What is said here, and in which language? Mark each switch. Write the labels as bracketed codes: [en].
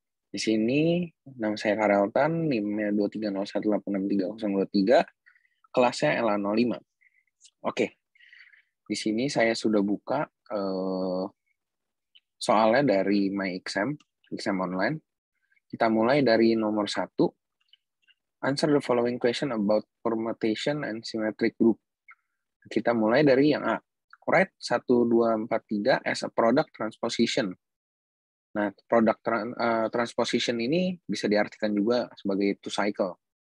[id] Di sini, nama saya Karaltan, NIM-nya 23018663, kelasnya LA05. Oke, di sini saya sudah buka soalnya dari My Exam, exam online. Kita mulai dari nomor 1. [en] Answer the following question about permutation and symmetric group. [id] Kita mulai dari yang A. [en] Write 1, 2, 4, 3 as a product transposition. [id] Nah, product transposition ini bisa diartikan juga sebagai two cycle.